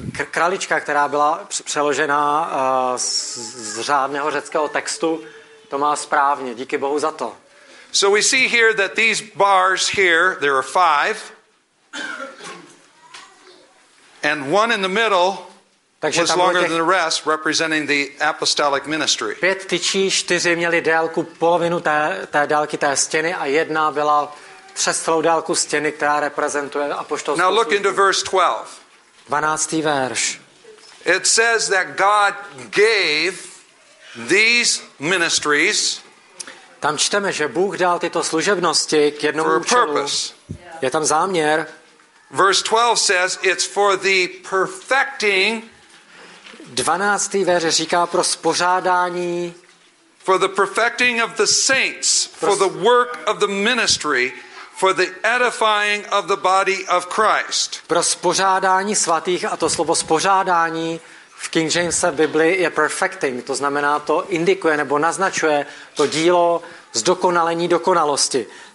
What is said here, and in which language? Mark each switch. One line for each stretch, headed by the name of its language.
Czech: Králička, která byla přeložena z řádného řeckého textu, to má správně. Díky Bohu za to.
English: So we see here that these bars here, there are five. And one in the middle
Czech: takže
English: was longer than the rest, representing the apostolic ministry.
Czech: Pět tyčí, čtyři měly délku polovinu té délky té stěny a jedna byla přes celou délku stěny, která reprezentuje apoštolskou.
English: Now look into verse 12.
Czech: 12. verš.
English: It says that God gave these ministries.
Czech: Tam čteme, že Bůh dal tyto služebnosti k jednomu účelu. Je tam záměr.
English: Verse 12 says it's for the perfecting.
Czech: 12. verš říká pro spořádání.
English: For the perfecting of the saints, for the work of the ministry, for the edifying of the body of Christ.
Czech: Pro spořádání svatých, a to slovo spořádání v King James Bibli je perfecting, to znamená to indikuje nebo naznačuje to dílo zdokonalení dokonalosti.